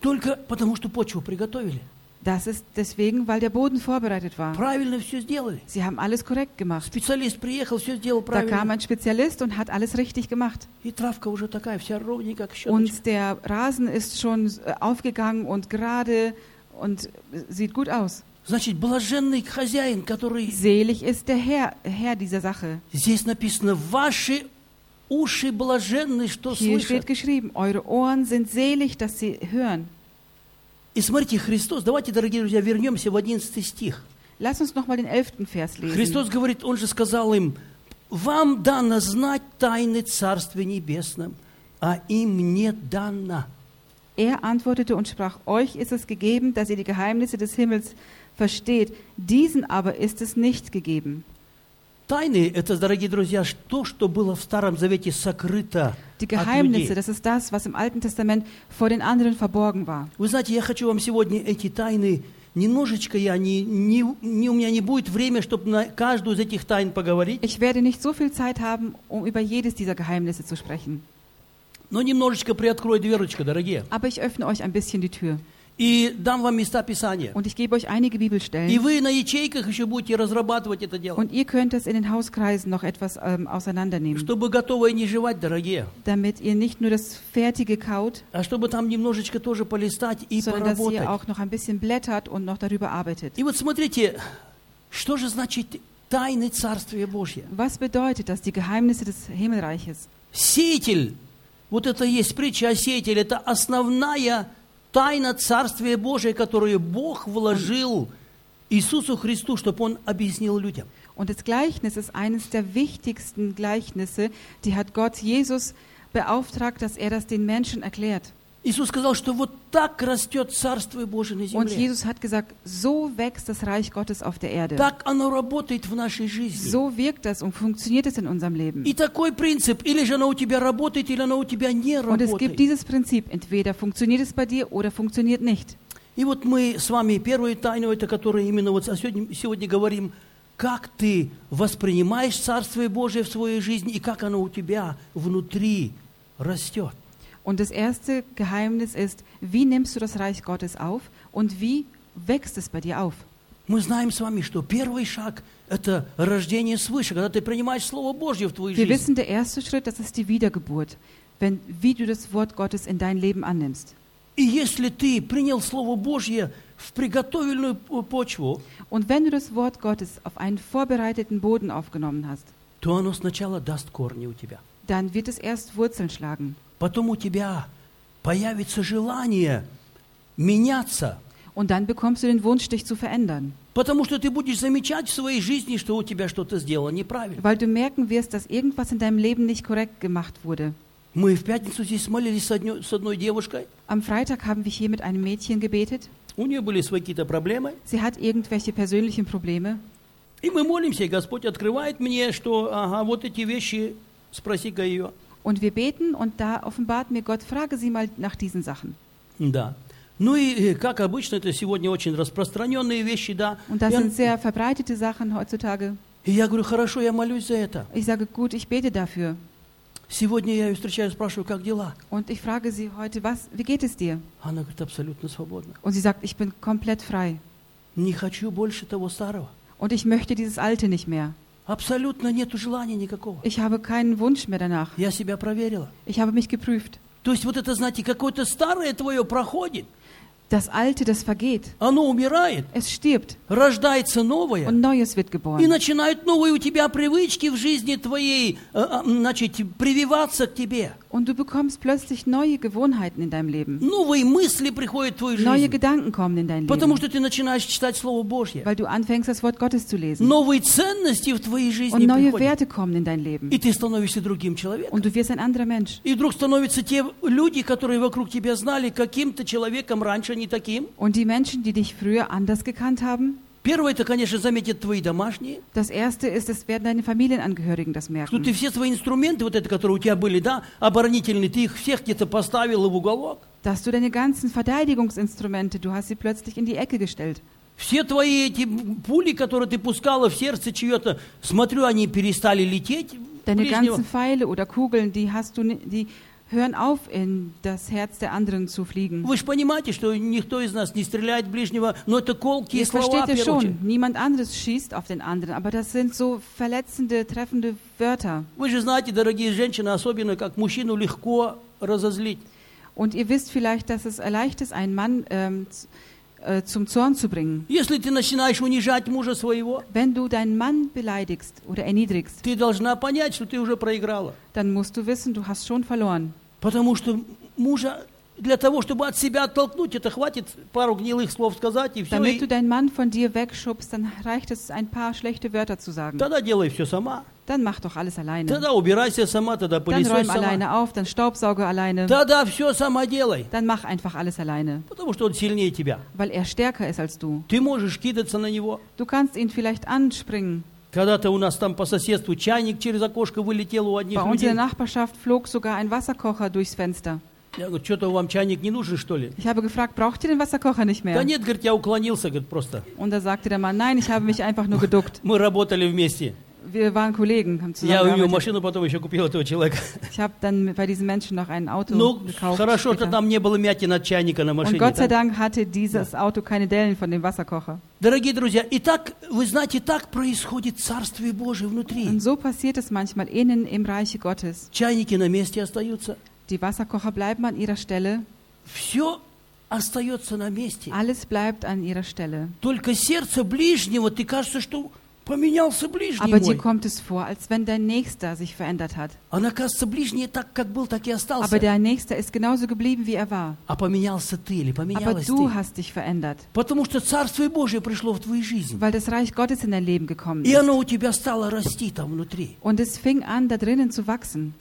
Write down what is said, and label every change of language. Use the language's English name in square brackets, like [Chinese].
[Russian] Только потому, что почву приготовили. [German] Das ist deswegen, weil der Boden vorbereitet war. [Russian] Правильно все сделали. [German] Sie haben alles korrekt gemacht. [Russian] Специалист приехал, все сделал правильно. [German] Da kam ein Spezialist und hat alles richtig gemacht. [Russian] И травка уже такая, вся ровненькая, как щеточка. [German] Und der Rasen ist schon aufgegangen und gerade und sieht gut aus. [Russian] Значит, блаженный хозяин, который. [German] Selig ist der Herr dieser Sache. [Russian] Здесь написано: ваши уши блаженны, что [German] Hier [Russian] слышат. [German] Steht geschrieben: Eure Ohren sind selig, dass sie hören. [Russian] И смотрите, Христос, давайте, дорогие друзья, вернемся в 11 стих. [German] Lass uns noch mal den 11. Vers lesen. [Russian] Христос говорит, он же сказал им: вам дано знать тайны Царствия Небесного, а им не дано. [German] Er antwortete und sprach, euch ist es gegeben, dass ihr die Geheimnisse des Himmels versteht, diesen aber ist es nicht gegeben. [Russian] Тайны, это, дорогие друзья, то, что было в Старом Завете сокрыто от людей. [German] Die Geheimnisse, das ist das, was im Alten Testament vor den anderen verborgen war. [Russian] Вы знаете, я хочу вам сегодня эти тайны немножечко, я не у меня не будет время, чтобы на каждую из этих тайн поговорить. [German] Ich werde nicht so viel Zeit haben, um über jedes dieser Geheimnisse zu sprechen. [Russian] Но немножечко приоткрою дверочку, дорогие. [German] Aber ich öffne euch ein bisschen die Tür. [Russian] И дам вам места Писания. [German] Und ich gebe euch einige Bibelstellen. [Russian] И вы на ячейках еще будете разрабатывать это дело. [German] Und ihr könnt es in den Hauskreisen noch etwas auseinandernehmen. [Russian] Чтобы готовое не жевать, дорогие. [German] Damit ihr nicht nur das Fertige kaut. [Russian] А чтобы там немножечко тоже полистать и [German] sondern [Russian] поработать. [German] Sondern dass ihr auch noch ein bisschen blättert und noch darüber arbeitet. [Russian] И вот смотрите, что же значит тайны Царствия Божьего? [German] Was bedeutet das, die Geheimnisse des Himmelreiches? [Russian] Сеятель. Вот это есть притча о сеятеле. Это основная тайна Царствия Божия, которую Бог вложил Иисусу Христу, чтобы Он объяснил людям. [German] Und das Gleichnis ist eines der wichtigsten Gleichnisse, die hat Gott Jesus beauftragt, dass er das den Menschen erklärt. [Russian] Иисус сказал, что вот так растет Царствие Божие на земле. [German] Und Jesus hat gesagt, so wächst das Reich Gottes auf der Erde. [Russian] Так оно работает в нашей жизни. [German] So wirkt das und funktioniert es in unserem Leben. [Russian] И такой принцип, или же оно у тебя работает, или оно у тебя не работает. [German] Und es gibt dieses Prinzip, entweder funktioniert es bei dir oder funktioniert nicht. [Russian] И вот мы с вами первую тайну, это которую именно вот сегодня говорим, как ты воспринимаешь Царствие Божие в своей жизни и как оно у тебя внутри растет. [German] Und das erste Geheimnis ist, wie nimmst du das Reich Gottes auf und wie wächst es bei dir auf? [Russian] Мы знаем с вами, что первый шаг – это рождение свыше, когда ты принимаешь Слово Божье в твою жизнь. [German] Wir wissen, der erste Schritt, das ist die Wiedergeburt, wie du das Wort Gottes in dein Leben annimmst. [Russian] И если ты принял Слово Божье в приготовленную почву, [German] und wenn du das Wort Gottes auf einen vorbereiteten Boden aufgenommen hast, [Russian] то оно сначала даст корни у тебя. [German] Dann wird es erst Wurzeln schlagen. [Russian] Потом у тебя появится желание меняться. [German] Und dann bekommst du den Wunsch, dich zu verändern. [Russian] Потому что ты будешь замечать в своей жизни, что у тебя что-то сделано неправильно. [German] Weil du merken wirst, dass irgendwas in deinem Leben nicht korrekt gemacht wurde. [Russian] Мы в пятницу здесь молились с одной девушкой. [German] Am Freitag haben wir hier mit einem Mädchen gebetet. [Russian] У нее были свои какие-то проблемы. [German] Sie hat irgendwelche persönlichen Probleme. [Russian] И мы молимся, Господь открывает мне, что, ага, вот эти вещи, спроси-ка ее. [German] Und wir beten und da offenbart mir Gott, frage sie mal nach diesen Sachen. [Russian] Да. Ну и как обычно, это сегодня очень распространенные вещи, да. [German] Und das sind sehr verbreitete Sachen heutzutage. [Russian] И я говорю, хорошо, я молюсь за это. [German] Ich sage, gut, ich bete dafür. [Russian] Сегодня я ее встречаю, спрашиваю, как дела? [German] Und ich frage sie heute, was, wie geht es dir? [Russian] Она говорит, абсолютно свободна. [German] Und sie sagt, ich bin komplett frei. [Russian] Не хочу больше того старого. [German] Und ich möchte dieses Alte nicht mehr. [Russian] Абсолютно нету желания никакого. [German] Ich habe keinen Wunsch mehr danach. [Russian] Я себя проверила. [German] Ich habe mich geprüft. [Russian] То есть вот это, знаете, какое-то старое твое проходит. [German] Das Alte, das vergeht. [Russian] Оно умирает. [German] Es stirbt. [Russian] Рождается новое. [German] Und Neues wird geboren. [Russian] И начинают новые у тебя привычки в жизни твоей, значит, прививаться к тебе. [German] Und du bekommst plötzlich neue Gewohnheiten in deinem Leben. [Russian] Новые мысли приходят в твою жизнь. [German] Neue Gedanken kommen in dein Leben. [Russian] Потому что ты начинаешь читать Слово Божье. [German] Weil du anfängst, das Wort Gottes zu lesen. [Russian] Новые ценности в твоей жизни приходят. [German] Und neue Werte kommen in dein Leben. [Russian] И ты становишься другим человеком. [German] Und du wirst ein anderer Mensch. [Russian] И вдруг становятся те люди, которые вокруг тебя знали каким-то человеком раньше. [German] Und die Menschen, die dich früher anders gekannt haben, [Russian] первое, это, конечно, заметят твои домашние. [German] Das erste ist, es werden deine Familienangehörigen das merken. [Russian] Что ты все свои инструменты, вот это, которые у тебя были, да, оборонительные, ты их всех где-то поставил в уголок. [German] Dass du deine ganzen Verteidigungsinstrumente, du hast sie plötzlich in die Ecke gestellt. [Russian] Все твои эти пули, которые ты пускала в сердце чье-то, смотрю, они перестали лететь. [German] Deine ganzen Pfeile oder Kugeln, die hast du, die hören auf, in das Herz der anderen zu fliegen. [Russian] Вы же понимаете, что никто из нас не стреляет ближнего, но это колкие слова. [German] Versteht ihr schon? Niemand anderes schießt auf den anderen, aber das sind so verletzende, treffende Wörter. [Russian] Вы же знаете, дорогие женщины, особенно как мужчину легко разозлить. [German] Und ihr wisst vielleicht, dass es leicht ist, einen Mann zum Zorn zu bringen. [Russian] Если ты начинаешь унижать мужа своего, [German] wenn du deinen Mann beleidigst oder erniedrigst, [Russian] ты должна понять, что ты уже проиграла. [German] Dann musst du wissen, du hast schon verloren. [Russian] Потому что мужа для того, чтобы от себя оттолкнуть, это хватит пару гнилых слов сказать и все. [German] Damit du deinen Mann von dir wegschubst, dann reicht es, ein paar schlechte Wörter zu sagen. [Russian] Тогда делай все сама. [German] Dann mach doch alles alleine. [Russian] Тогда убирайся сама, тогда пылесось сама. [German] Dann räum alleine auf, dann staubsauge alleine. [Russian] Тогда все сама делай. [German] Dann mach einfach alles alleine. [Russian] Потому что он сильнее тебя. [German] Weil stärker ist als du. [Russian] Ты можешь кидаться на него. [German] Du kannst ihn vielleicht anspringen. [Russian] Когда-то у нас там по соседству чайник через окошко вылетел у одних людей. [German] Bei unserer Nachbarschaft flog sogar ein Wasserkocher durchs Fenster. [Russian] Я говорю, что-то вам чайник не нужен, что ли? [German] Ich habe gefragt, braucht ihr den Wasserkocher nicht mehr? [Russian] Да нет, говорит, я уклонился, говорит, просто. [German] Und da sagte der Mann, nein, ich habe mich einfach nur geduckt. [Russian] Мы работали вместе. [German] Wir waren Kollegen, haben zusammen gearbeitet. [Russian] Я у него машину потом еще купил этого человека. [German] Ich habe dann bei diesem Menschen noch ein Auto gekauft. [Russian] Хорошо, что там не было мятин от чайника на машине. [German] Und Gott sei Dank hatte dieses Auto keine Dellen von dem Wasserkocher. [Russian] Дорогие друзья, и так, вы знаете, так происходит Царствие Божие внутри. [German] Und so passiert es manchmal innen im Reiche Gottes. [Russian] Чайники на месте остаются. [German] Die Wasserkocher bleiben an ihrer Stelle. [Russian] Все остается на месте. [German] Alles bleibt an ihrer Stelle. [Russian] Только сердце ближнего, ты кажется, что поменялся ближний. [German] Aber Dir kommt es vor, als wenn dein Nächster sich verändert hat. [Russian] Она, кажется, ближний так, как был, так и остался. [German] Aber dein Nächster ist genauso geblieben, wie war. [Russian] А поменялся ты или поменялась [German] Aber [Russian] ты? [German] Aber du hast dich verändert. [Russian] Потому что Царствие Божие пришло в твою жизнь. [German] Weil das Reich Gottes in dein Leben gekommen [Russian] и [German] ist. [Russian] И оно у тебя стало расти там внутри. [German] Und es fing an, da drinnen zu wachsen.